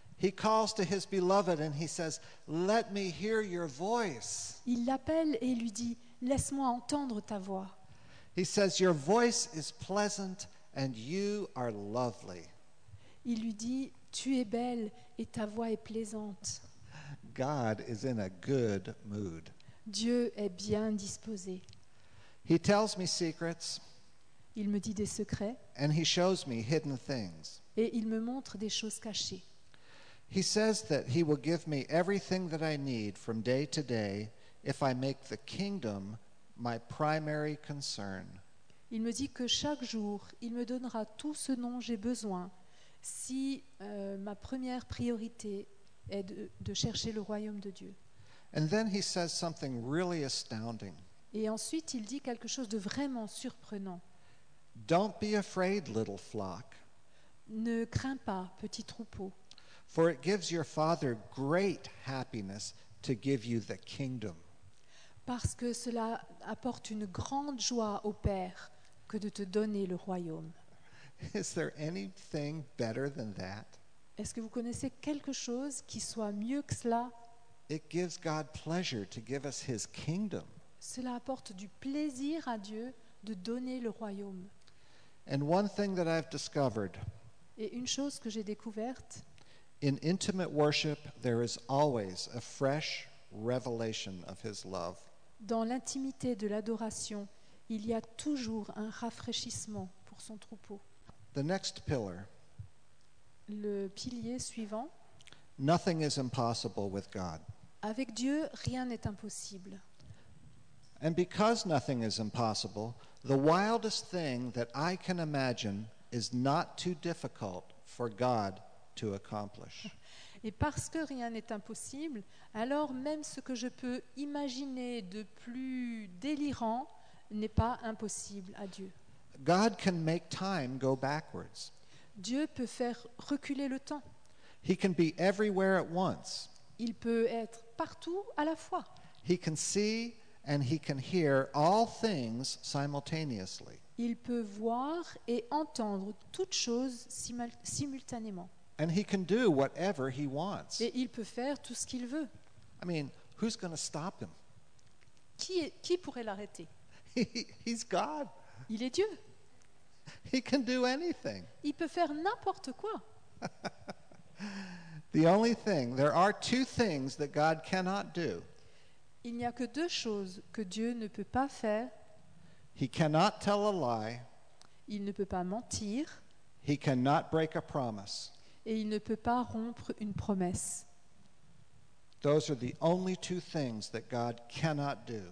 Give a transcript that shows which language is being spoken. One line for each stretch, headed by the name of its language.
English: He calls to his beloved and he says, "Let me hear your voice."
French: Il l'appelle et lui dit, laisse-moi entendre ta voix.
English: He says, "Your voice is pleasant and you are lovely."
French: Il lui dit, tu es belle et ta voix est plaisante.
English: God is in a good mood.
French: Dieu est bien disposé.
English: He tells me secrets.
French: Il me dit des secrets.
English: And he shows me hidden things.
French: Et il me montre des choses cachées.
English: He says that he will give me everything that I need from day to day if I make the kingdom my primary concern.
French: Il me dit que chaque jour, il me donnera tout ce dont j'ai besoin si ma première priorité est de chercher le royaume de Dieu.
English: And then he says something really astounding.
French: Et ensuite, il dit quelque chose de vraiment surprenant.
English: Don't be afraid, little flock.
French: Ne crains pas, petit troupeau.
English: For it gives your father great happiness to give you the kingdom.
French: Parce que cela apporte une grande joie au père que de te donner le royaume.
English: Is there anything better than that?
French: Est-ce que vous connaissez quelque chose qui soit mieux que cela?
English: It gives God pleasure to give us his kingdom.
French: Cela apporte du plaisir à Dieu de donner le royaume.
English: And one thing that I've discovered.
French: Et une chose que j'ai découverte.
English: In intimate worship, there is always a fresh revelation of his love.
French: Dans l'intimité de l'adoration, il y a toujours un rafraîchissement pour son troupeau.
English: The next pillar.
French: Le pilier suivant.
English: Nothing is impossible with God.
French: Avec Dieu, rien n'est impossible.
English: And because nothing is impossible, the wildest thing that I can imagine is not too difficult for God to accomplish.
French: Et parce que rien n'est impossible, alors même ce que je peux imaginer de plus délirant n'est pas impossible à Dieu.
English: God can make time go backwards.
French: Dieu peut faire reculer le temps.
English: He can be everywhere at once.
French: Il peut être partout à la fois.
English: He can see and he can hear all things simultaneously.
French: Il peut voir et entendre toutes choses simultanément.
English: And he can do whatever he wants.
French: Et il peut faire tout ce qu'il veut.
English: I mean, who's going to stop him?
French: Qui pourrait l'arrêter?
English: He's God.
French: Il est Dieu.
English: He can do anything.
French: Il peut faire n'importe quoi.
English: The only thing, there are two things that God cannot do.
French: Il n'y a que deux choses que Dieu ne peut pas faire.
English: He cannot tell a lie.
French: Il ne peut pas mentir.
English: He cannot break a promise.
French: et il ne peut pas rompre une promesse.
English: Those are the only two things that God cannot do.